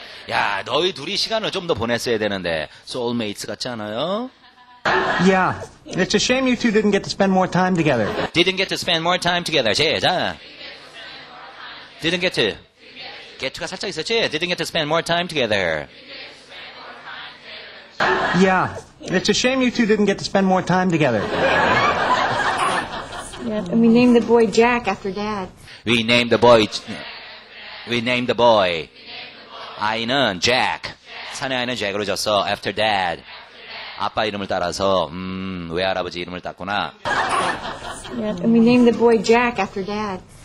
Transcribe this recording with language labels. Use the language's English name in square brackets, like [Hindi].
[Korean] 야, 너희 둘이 시간을 좀 더 보냈어야 되는데. Soulmates 같지 않아요? [English] Yeah. It's a shame you two didn't get to spend more time together. Didn't get to spend more time together. 자. Didn't get to. Get to가 살짝 있었지? Didn't get to spend more time together. Yeah. It's a shame you two didn't get to spend more time together. Yeah, and we named the boy Jack after dad. We named the boy. We named the boy. [Korean] 아이는 Jack. 사내 아이는 Jack으로 졌어. [English] After dad. [Korean] 아빠 이름을 따라서 외할아버지 이름을 땄구나. [English] Yeah, and we named the boy Jack after dad.